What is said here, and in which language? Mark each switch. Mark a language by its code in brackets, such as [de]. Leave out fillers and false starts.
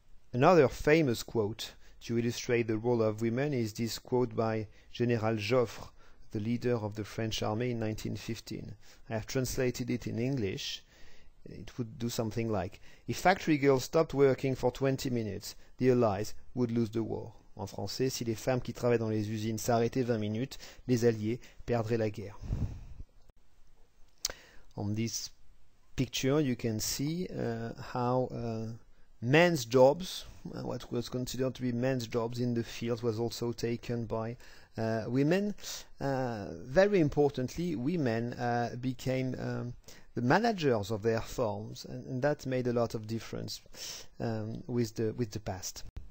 [en] Another famous quote to illustrate the role of women is this quote by General Joffre, the leader of the French army in 1915. I have translated it in English. It would do something like, if factory girls stopped working for 20 minutes, the Allies would lose the war. [fr] En français, si les femmes qui travaillent dans les usines s'arrêtaient 20 minutes, les alliés perdraient la guerre. [en] On this picture, you can see how men's jobs, what was considered to be men's jobs in the field, was also taken by women. Very importantly, women became the managers of their farms, and that made a lot of difference with the past.